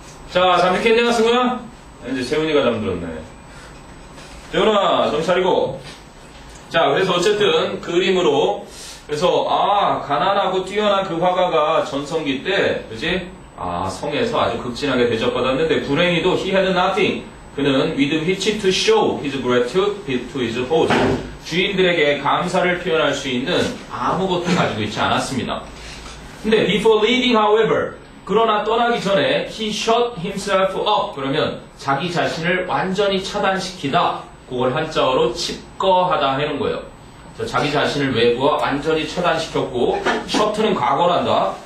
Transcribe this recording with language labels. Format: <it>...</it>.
<ko>자 잠이 깼냐 승우야? 이제 세훈이가 잠들었네. 세훈아 정신 차리고. 자 그래서 어쨌든 그림으로 그래서 아 가난하고 뛰어난 그 화가가 전성기 때 그지? 아 성에서 아주 극진하게 대접받았는데 불행히도</ko> <en>he had nothing.</en> <ko>그는</ko> <en>with which to show his gratitude to his host.</en> <ko>주인들에게 감사를 표현할 수 있는 아무것도 가지고 있지 않았습니다. 근데</ko> <en>before leaving however,</en> <ko>그러나 떠나기 전에</ko> <en>he shut himself up,</en> <ko>그러면 자기 자신을 완전히 차단시키다. 그걸 한자어로 칩거하다 하는 거예요. 그래서 자기 자신을 외부와 완전히 차단시켰고 shut는 과거란다.</ko>